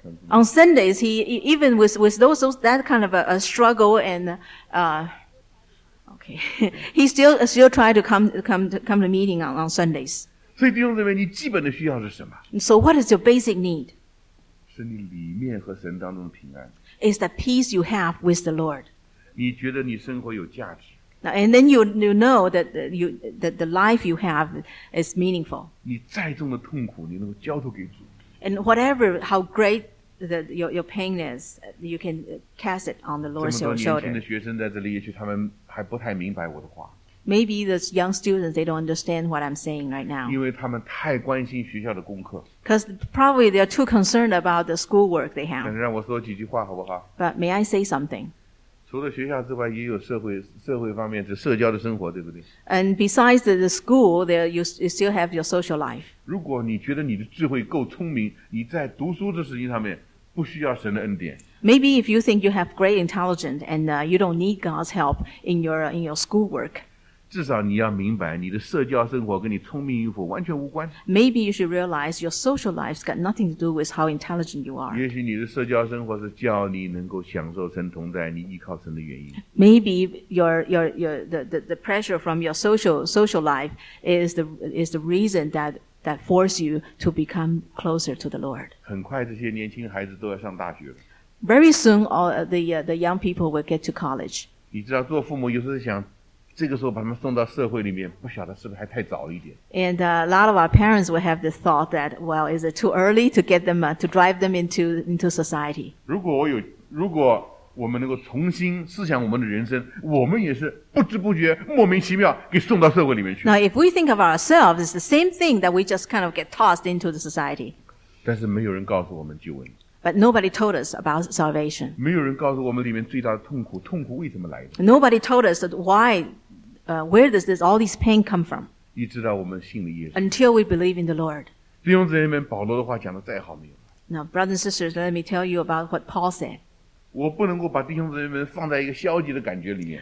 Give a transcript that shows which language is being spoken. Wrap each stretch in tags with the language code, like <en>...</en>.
<en>On Sundays, he even with those that kind of a struggle and Okay. He still try to come to meeting on Sundays.</en> <zh>所以弟兄姊妹，你基本的需要是什么？</zh> <en>So what is your basic need?</en> <zh>是你里面和神当中的平安。</zh> <en>Is the peace you have with the Lord?</en> <zh>你觉得你生活有价值。</zh> <en>Now, and then you know that the life you have is meaningful.</en> <zh>你再重的痛苦，你能够交托给主。</zh> <en>And whatever, how great your pain is, you can cast it on the Lord's shoulder.</en> <zh>这么多年轻的学生在这里，也许他们还不太明白我的话。</zh> <en>Maybe the young students, they don't understand what I'm saying right now.</en> <zh>因为他们太关心学校的功课。</zh> <en>Because probably they're too concerned about the schoolwork they have.</en> <zh>让我说几句话好不好？</zh> <en>But may I say something?</en> <zh>除了学校之外，也有社会方面的社交的生活，对不对？</zh> <en>And besides the school, there you still have your social life.</en> <zh>如果你觉得你的智慧够聪明，你在读书的事情上面不需要神的恩典。</zh> <en>Maybe if you think you have great intelligence and you don't need God's help in your schoolwork.</en> <zh>至少你要明白你的社交生活跟你聪明与否完全无关。</zh> <en>Maybe you should realize your social life's got nothing to do with how intelligent you are.</en> <zh>也许你的社交生活是叫你能够享受神同在，你依靠神的原因。</zh> <en>Maybe your the pressure from your social life is the reason that that force you to become closer to the Lord.</en> <zh>很快这些年轻孩子都要上大学了。</zh> <en>Very soon, all the young people will get to college.</en> <zh>你知道，做父母有时候想，这个时候把他们送到社会里面，不晓得是不是还太早一点。</zh> <en>And a lot of our parents will have this thought that, well, is it too early to get them to drive them into society?</en> <zh>如果我们能够重新思想我们的人生，我们也是不知不觉、莫名其妙给送到社会里面去。</zh> <en>Now, if we think of ourselves, it's the same thing that we just kind of get tossed into the society.</en> <zh>但是没有人告诉我们救恩。</zh> <en>But nobody told us about salvation.</en> <zh>没有人告诉我们里面最大的痛苦，痛苦为什么来的。</zh> <en>Nobody told us that why, where does this, all these pain come from?</en> <zh>一直到我们信了耶稣。</zh> <en>Until we believe in the Lord.</en> <zh>弟兄姊妹们，保罗的话讲得再好没有。</zh> <en>Now, brothers and sisters, let me tell you about what Paul said.</en> <zh>我不能够把弟兄姊妹们放在一个消极的感觉里面。</zh>